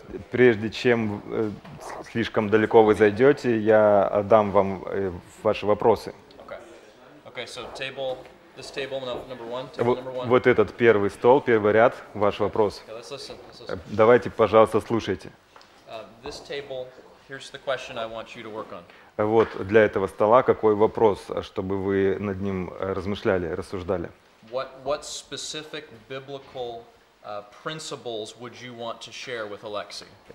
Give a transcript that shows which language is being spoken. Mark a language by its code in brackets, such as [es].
[ru] Прежде чем слишком далеко вы зайдете, я дам вам ваши вопросы. [en] This table, number one, table number one. [ru] Вот этот первый стол, первый ряд, ваш вопрос. [en] Okay, let's listen. [ru] Давайте, пожалуйста, слушайте. [en] This table, here's the question I want you to work on. [ru] Вот для этого стола какой вопрос, чтобы вы над ним размышляли, рассуждали. [en] What specific biblical principles would you want to share with Alexei?